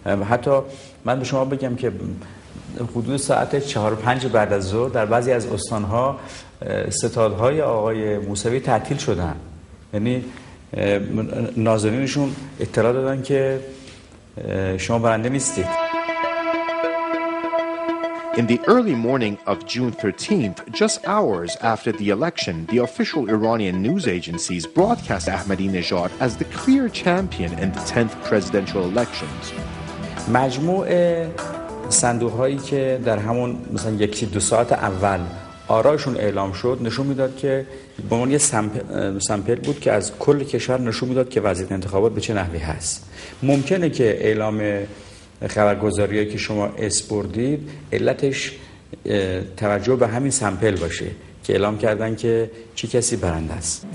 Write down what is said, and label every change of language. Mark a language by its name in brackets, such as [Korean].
[Persian] حتی من به شما بگم که حدود ساعت 4-5 بعد از ظهر در بعضی از استانها ستادهای آقای موسوی تعطیل شدن، یعنی ناظرینشون اطلاع دادن که شما برنده نیستید. [English] In the early morning of June 13th, just hours after the election, the official Iranian news agencies broadcast Ahmadinejad as the clear champion in the 10th presidential elections. [Persian] مجموع صندوق‌هایی که در همون مثلا یکی دو ساعت اول آرایشون اعلام شد نشون میداد که به عنوان یه سمپل بود که از کل کشور نشون میداد که وضعیت انتخابات به چه نحوی هست. ممکنه که اعلام خبرگزاریه که شما اسپوردید علتش توجه به همین سمپل باشه که اعلام کردن که چه کسی برنده است.